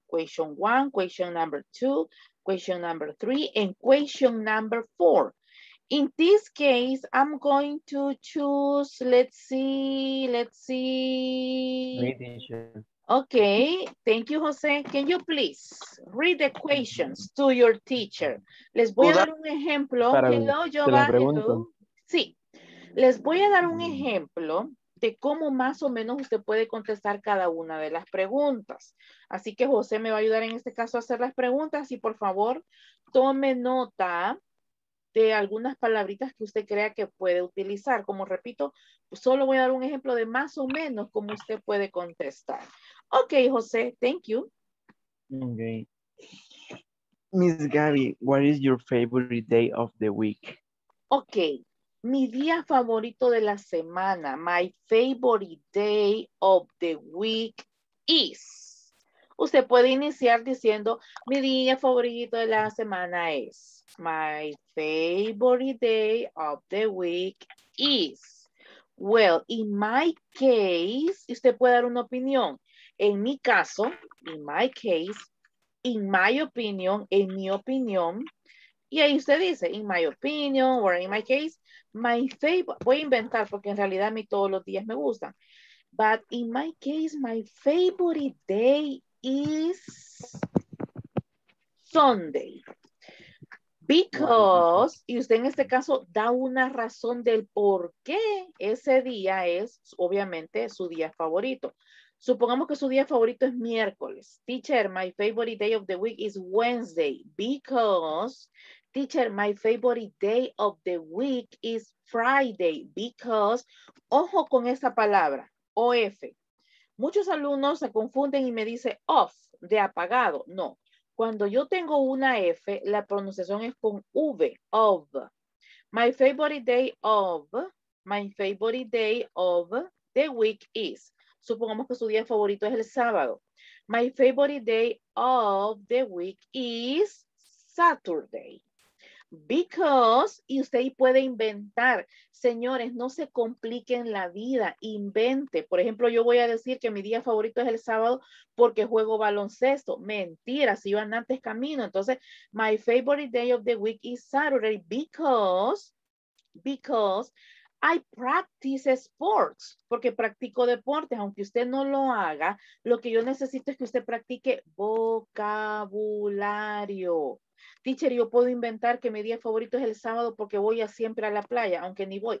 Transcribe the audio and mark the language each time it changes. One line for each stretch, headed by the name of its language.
English: Question one, question number two, question number three, and question number four. In this case, I'm going to choose, let's see. Okay, thank you, Jose. Can you please read the questions to your teacher?
Spanish: Les voy a dar un ejemplo.
English: Hello, Giovanni.
Spanish: Sí, les voy a dar un ejemplo de cómo más o menos usted puede contestar cada una de las preguntas. Así que José me va a ayudar en este caso a hacer las preguntas y por favor tome nota de algunas palabritas que usted crea que puede utilizar. Como repito, solo voy a dar un ejemplo de más o menos cómo usted puede contestar.
English: Ok, José, thank you. Ok. Miss Gaby, what is your favorite day of the week?
Spanish: Ok, mi día favorito de la semana,
English: my favorite day of the week is.
Spanish: Usted puede iniciar diciendo, mi día favorito de la semana es.
English: My favorite day of the week is. Well, in my case,
Spanish: usted puede dar una opinión. En mi caso,
English: in my case, in my opinion,
Spanish: en mi opinión. Y ahí usted dice,
English: in my opinion, or in my case, my favorite.
Spanish: Voy a inventar porque en realidad a mí todos los días me gustan.
English: But in my case, my favorite day is Sunday.
Spanish: Because, y usted en este caso da una razón del por qué ese día es, obviamente, su día favorito. Supongamos que su día favorito es miércoles.
English: Teacher, my favorite day of the week is Wednesday. Because, teacher, my favorite day of the week is Friday.
Spanish: Because, ojo con esa palabra, OF. Muchos alumnos se confunden y me dicen off, de apagado. No. Cuando yo tengo una F, la pronunciación es con V, of.
English: My favorite day of, my favorite day of the week is.
Spanish: Supongamos que su día favorito es el sábado.
English: My favorite day of the week is Saturday.
Spanish: Because, y usted puede inventar. Señores, no se compliquen la vida, invente. Por ejemplo, yo voy a decir que mi día favorito es el sábado porque juego baloncesto. Mentira, si iban antes camino.
English: Entonces, my favorite day of the week is Saturday because I practice sports,
Spanish: porque practico deportes. Aunque usted no lo haga, lo que yo necesito es que usted practique vocabulario. Teacher, yo puedo inventar que mi día favorito es el sábado porque voy siempre a la playa, aunque ni voy.